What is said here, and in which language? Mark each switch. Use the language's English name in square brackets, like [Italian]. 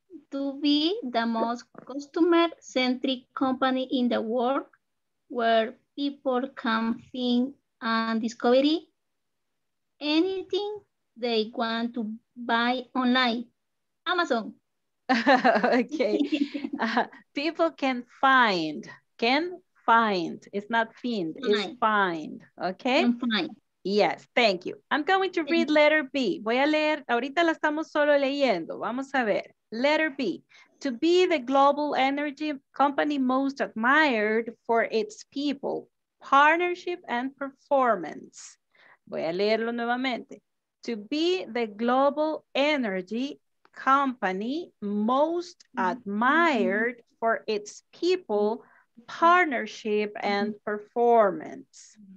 [English] To be the most customer-centric company in the world where people can think and discover anything they want to buy online. Amazon. Okay. people can find, It's not find, it's find, okay? Find. Yes, thank you. I'm going to read letter B. [Spanish] Voy a leer, ahorita la estamos solo leyendo. Vamos a ver. [English] Letter B. To be the global energy company most admired for its people, partnership and performance. [Spanish] Voy a leerlo nuevamente. [English] To be the global energy company most admired for its people, partnership and performance.